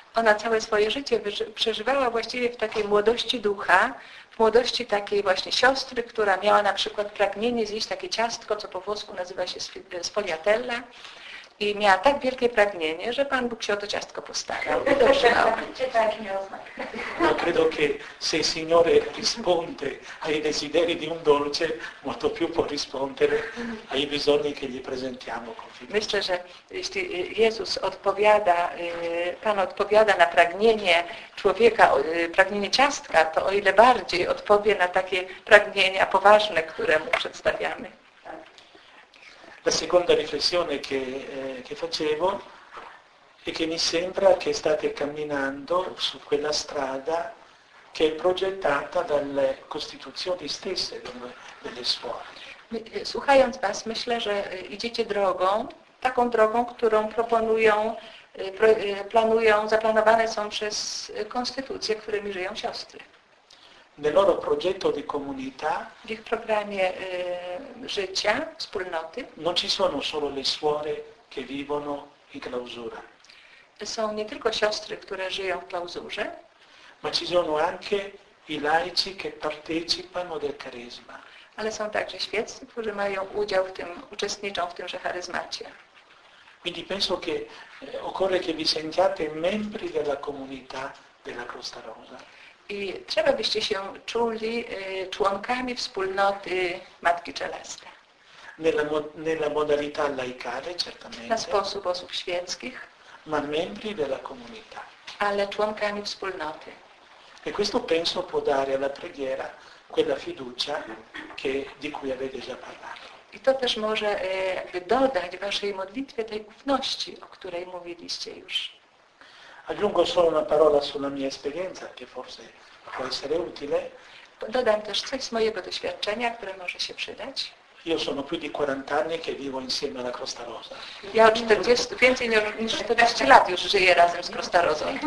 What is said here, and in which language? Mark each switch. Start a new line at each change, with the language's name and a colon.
Polish: Ona całe swoje życie przeżywała właściwie w takiej młodości ducha, w młodości takiej właśnie siostry, która miała na przykład pragnienie zjeść takie ciastko, co po włosku nazywa się sfogliatella i miała tak wielkie pragnienie, że Pan Bóg się o to ciastko postarał.
Italian: No, credo che se il Signore risponde ai desideri di un dolce, molto più può rispondere ai bisogni che gli presentiamo.
Polish: Myślę, że jeśli Jezus odpowiada, Pan odpowiada na pragnienie człowieka, pragnienie ciastka, to o ile bardziej odpowie na takie pragnienia poważne, które mu przedstawiamy.
Italian: La seconda riflessione che facevo è che mi sembra che state camminando su quella strada che è progettata dalle costituzioni stesse delle suore.
Polish: Słuchając Was, myślę, że idziecie drogą, taką drogą, którą proponują, planują, zaplanowane są przez konstytucje, którymi żyją siostry.
Italian: Nel loro progetto di comunità,
Polish: w ich programie życia, wspólnoty,
Italian: non ci sono solo le suore che vivono in clausura.
Polish: Są nie tylko siostry, które żyją w klauzurze,
Italian: ma ci sono anche i laici che partecipano del carisma.
Polish: Ale są także świeccy, którzy mają udział w tym, uczestniczą w tymże charyzmacie.
Italian: Quindi penso che occorre che vi sentiate membri della comunità della Costa Rosa.
Polish: I trzeba byście się czuli członkami wspólnoty Matki Czelestej.
Italian: Nella modalità laicale, certamente.
Polish: Na sposób osób świeckich.
Italian: Ma membri della comunità.
Polish: Ale członkami wspólnoty.
Italian: E questo penso può dare alla preghiera quella fiducia che, di cui avete già parlato.
Polish: I to też może dodać waszej modlitwie tej ufności, o której mówiliście już.
Italian: Aggiungo solo una parola sulla mia esperienza, che forse può essere utile.
Polish: Dodam też coś z mojego doświadczenia, które może się przydać.
Italian: Io sono più di 40 anni che vivo insieme alla Crosta Rosa.
Polish: Ja ho 40, więcej niż 40 lat już żyję razem z Crosta Rosa.